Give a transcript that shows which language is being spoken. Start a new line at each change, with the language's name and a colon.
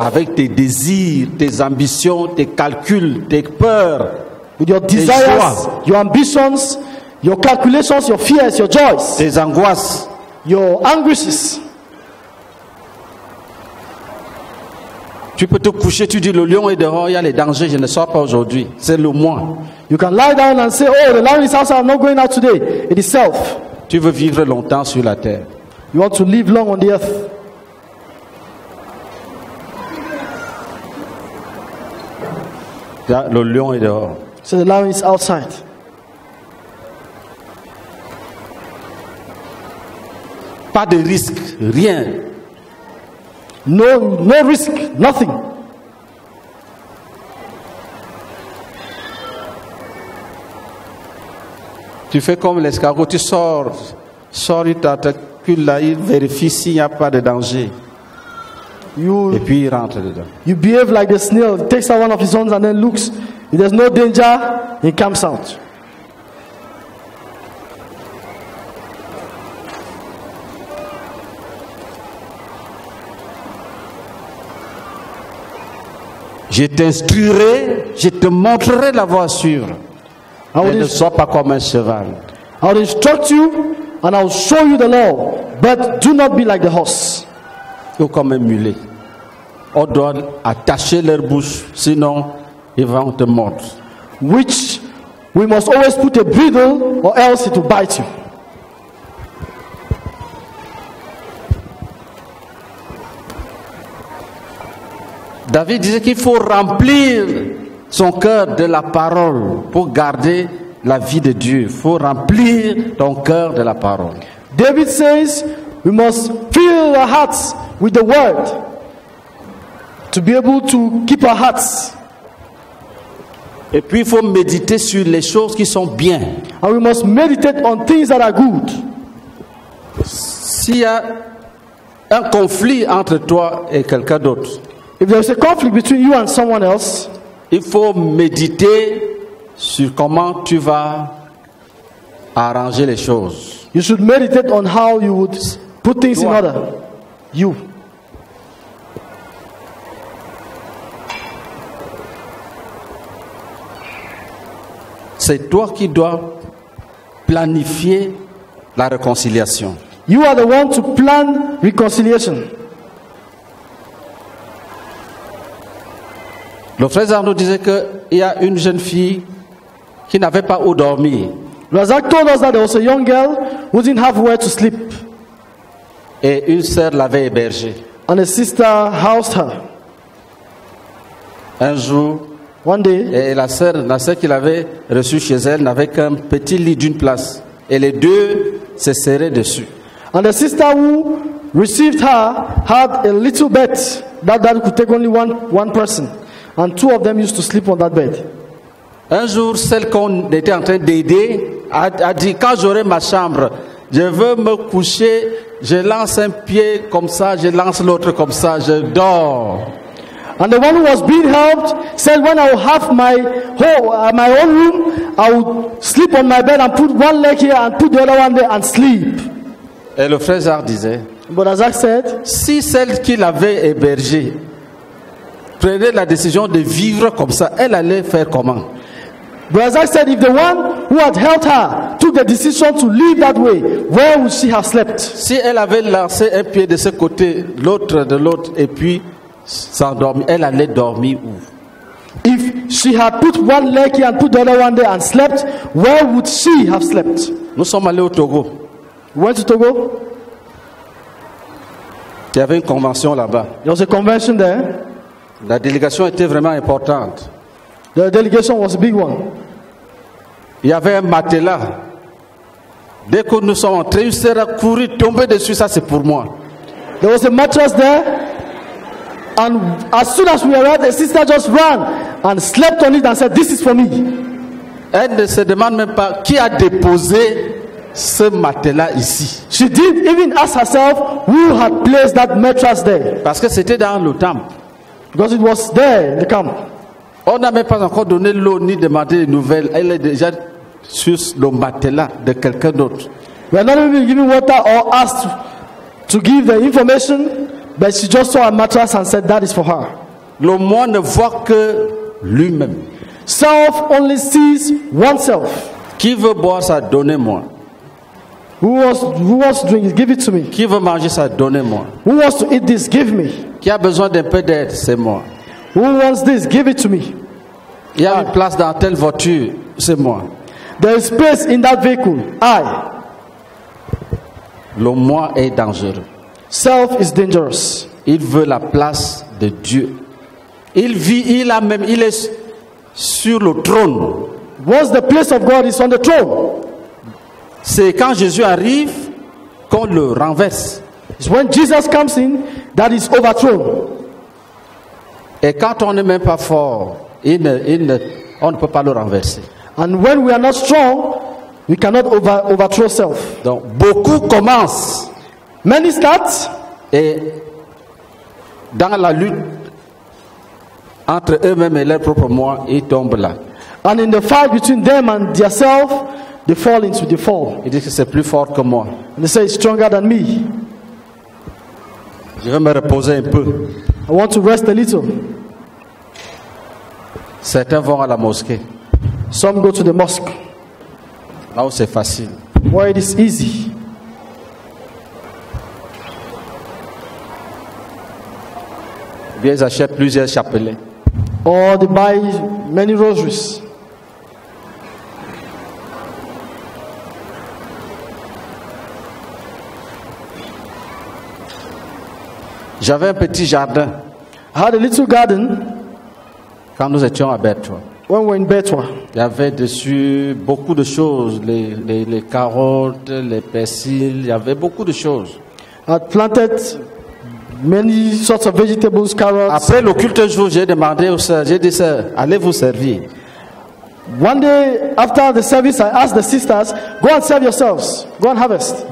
French: Avec tes désirs, tes ambitions, tes calculs, tes peurs.
English: With your desires, joies, your ambitions, your calculations, your fears, your joys.
French: Tes angoisses.
English: Your anguishes.
French: Tu peux te coucher, tu dis le lion est dehors, il y a les dangers, je ne sors pas aujourd'hui. C'est le moi.
English: You can lie down and say, oh, the lion is outside, I'm not going out today. It is self.
French: Tu veux vivre longtemps sur la terre.
English: You want to live long on the earth.
French: Le lion est dehors.
English: So the lion is outside.
French: Pas de risque, rien.
English: No risk, nothing.
French: Tu fais comme l'escargot, tu sors une tentacule là, il vérifie s'il n'y a pas de danger. Et puis il rentre dedans.
English: You behave like a snail, it takes out one of his horns and then looks. If there's no danger, he comes out.
French: Je t'instruirai, je te montrerai la voie à suivre. Mais ne sois pas comme un cheval.
English: I will instruct you and I will show you the law, but do not be like the horse.
French: Ou comme un mulet. On doit attacher leur bouche, sinon ils vont te mordre.
English: Which we must always put a bridle or else it will bite you.
French: David disait qu'il faut remplir son cœur de la parole pour garder la vie de Dieu. Il faut remplir ton cœur de la parole.
English: David says we must fill our hearts with the word to be able to keep our hearts.
French: Et puis il faut méditer sur les choses qui sont bien.
English: And we must meditate on things that are good.
French: S'il y a un conflit entre toi et quelqu'un d'autre,
English: if there is a conflict between you and someone else,
French: il faut méditer sur comment tu vas arranger les choses.
English: You should meditate on how you would put things in order. You.
French: C'est toi qui dois planifier la réconciliation.
English: You are the one to plan reconciliation.
French: Le frère Arnaud disait qu'il y a une jeune fille qui n'avait pas où dormir.
English: Razak told us that there was a young girl who didn't have where to sleep.
French: Et une sœur l'avait hébergée.
English: And a sister housed her.
French: Un jour,
English: one day,
French: et la sœur qu'il avait reçue chez elle n'avait qu'un petit lit d'une place, et les deux se serraient dessus.
English: And the sister who received her had a little bed that could take only one person, and two of them used to sleep on that bed.
French: Un jour, celle qu'on était en train d'aider a dit, quand j'aurai ma chambre, je veux me coucher, je lance un pied comme ça, je lance l'autre comme ça, je dors.
English: And the one who was being helped said, when I have my own room, I will sleep on my bed and put one leg here and put the other one there and sleep.
French: Et le frère Jacques disait,
English: but as I said,
French: si celle qui l'avait hébergée prenait la décision de vivre comme ça, elle allait faire comment?
English: But as I said, if the one who had helped her took the decision to live that way, where would she have slept?
French: Si elle avait lancé un pied de ce côté, l'autre de l'autre, et puis s'endormir, elle allait dormir où?
English: If she had put one leg here and put the other one there and slept, where would she have slept?
French: Nous sommes allés au Togo.
English: Went to Togo?
French: Il y avait une convention là-bas.
English: There was a convention there.
French: La délégation était vraiment importante.
English: The delegation was a big one.
French: Il y avait un matelas. Dès que nous sommes entrés, une sœur a couru, tombé dessus, ça c'est pour moi.
English: There was a mattress there. And as soon as we arrived, the sister just ran and slept on it and said, this is for me.
French: Elle ne se demande même pas qui a déposé ce matelas ici.
English: She didn't even ask herself who had placed that mattress there.
French: Parce que c'était dans le camp.
English: Because it was there in the camp.
French: On n'a même pas encore donné l'eau ni demandé de nouvelles. Elle est déjà sur le matelas de quelqu'un d'autre.
English: We are not even giving water or asked to give the information, but she just saw a mattress and said that is for her.
French: Le moi ne voit que lui-même.
English: Self only sees oneself.
French: Qui veut boire ça, donnez-moi.
English: Who wants to drink it, give it to me.
French: Qui veut manger ça, donnez-moi.
English: Who wants to eat this, give me.
French: Qui a besoin d'un peu d'aide, c'est moi.
English: Who wants this? Give it to me.
French: Il y a une place dans telle voiture, c'est moi.
English: There is space in that vehicle. I.
French: Le moi est dangereux.
English: Self is dangerous.
French: Il veut la place de Dieu. Il vit, il est sur le trône.
English: What's the place of God? Is on the throne.
French: C'est quand Jésus arrive qu'on le renverse.
English: It's when Jesus comes in that is overthrown.
French: Et quand on n'est même pas fort, on ne peut pas le renverser.
English: And when we are not strong, we cannot overthrow self.
French: Donc beaucoup commencent.
English: Many start.
French: Et dans la lutte entre eux-mêmes et leur propre moi, ils tombent là.
English: And in the fight between them and their self, they fall into the fall.
French: Ils disent que c'est plus fort que moi.
English: And they say it's stronger than me.
French: Je vais me reposer un peu.
English: I want to rest a little.
French: Certains vont à la mosquée.
English: Some go to the mosque.
French: Là où c'est facile.
English: Where it is easy.
French: Ou bien ils achètent plusieurs chapelets.
English: Or they buy many rosaries.
French: J'avais un petit jardin.
English: I had a little garden.
French: Quand nous étions à Bétoua.
English: When we were in Bétoua.
French: Il y avait dessus beaucoup de choses, les carottes, les persils, il y avait beaucoup de choses.
English: I planted many sorts of vegetables, carrots.
French: Après le culte, j'ai demandé au sœur, j'ai dit, sœur, allez vous servir.
English: One day after the service, I asked the sisters, go and serve yourselves, go and harvest.